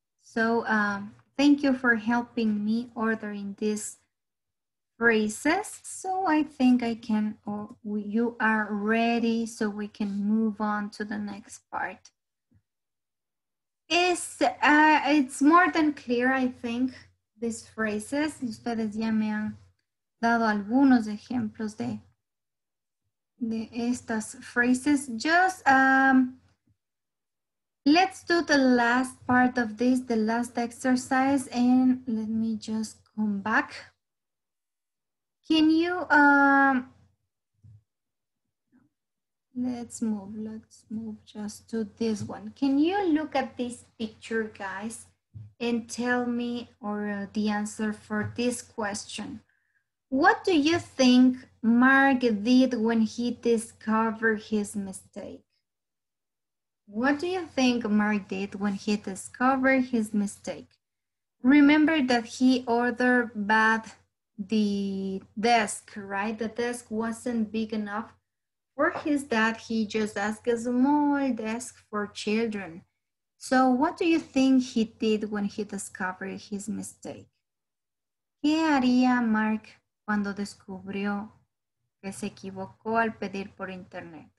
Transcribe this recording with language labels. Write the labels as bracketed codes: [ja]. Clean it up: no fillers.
[en] So thank you for helping me ordering this phrases. So I think I can, or you are ready, so we can move on to the next part. It's more than clear, I think, these phrases. [es] Ustedes ya me han dado algunos ejemplos de estas phrases. [en] Just let's do the last part of this, the last exercise, and let me just come back. Can you, let's move just to this one. Can you look at this picture, guys, and tell me or the answer for this question? What do you think Mark did when he discovered his mistake? What do you think Mark did when he discovered his mistake? Remember that he ordered bad the desk, right? The desk wasn't big enough for his dad. He just asked a small desk for children. So what do you think he did when he discovered his mistake? [es] ¿Qué haría Mark cuando descubrió que se equivocó al pedir por internet?